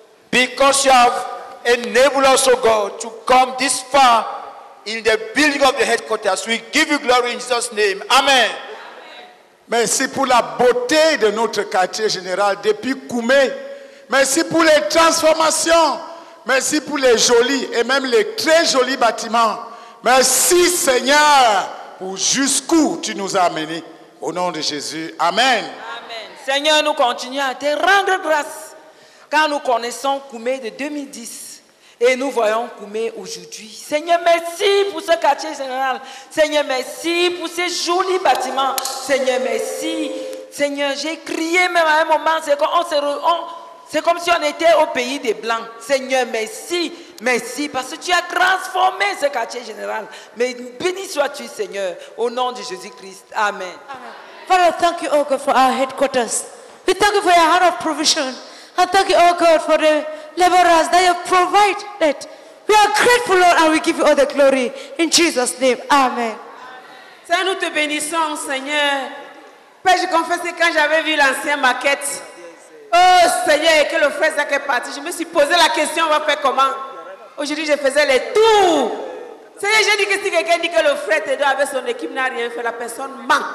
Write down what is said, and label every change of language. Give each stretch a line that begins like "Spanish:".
English: Because you have enable us, O God, to come this far in the building of the headquarters. We give you glory in Jesus' name. Amen.
French: Merci pour la beauté de notre quartier général depuis Koume. Merci pour les transformations. Merci pour les jolis et même les très jolis bâtiments. Merci, Seigneur, pour jusqu'où tu nous as amenés. Au nom de Jésus. Amen. Amen. Seigneur, nous continuons à te rendre grâce. Car nous connaissons Koume de 2010 et nous voyons Koume aujourd'hui. Seigneur, merci pour ce quartier général. Seigneur, merci pour ces jolis bâtiments. Seigneur, merci. Seigneur, j'ai crié même à un moment, c'est comme si on était au pays des Blancs. Seigneur, merci. Merci parce que tu as transformé ce quartier général. Mais béni sois-tu, Seigneur, au nom de Jésus-Christ. Amen. Amen.
English: Father, thank you, O God, for our headquarters. We thank you for your hand of provision. I thank you, oh God, for the laborers that you provide it. We are grateful, Lord, and we give you all the glory. In Jesus' name, amen.
French: Seigneur, nous te bénissons, Seigneur. Père, je confesse que quand j'avais vu l'ancienne maquette, oh Seigneur, que le frère Zach est parti, je me suis posé la question, on va faire comment? Aujourd'hui, je faisais les tours. Seigneur, j'ai dit que si quelqu'un dit que le frère Tedo avec son équipe n'a rien fait, la personne ment.